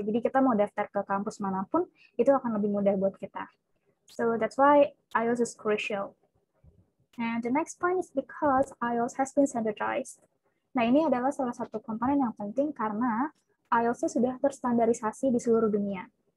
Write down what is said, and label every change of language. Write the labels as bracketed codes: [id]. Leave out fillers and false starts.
[id] Jadi kita mau daftar ke kampus manapun, itu akan lebih mudah buat kita. [en] So that's why IELTS is crucial. And the next point is because IELTS has been standardized. [id] Nah, ini adalah salah satu komponen yang penting karena IELTS sudah terstandarisasi di seluruh dunia.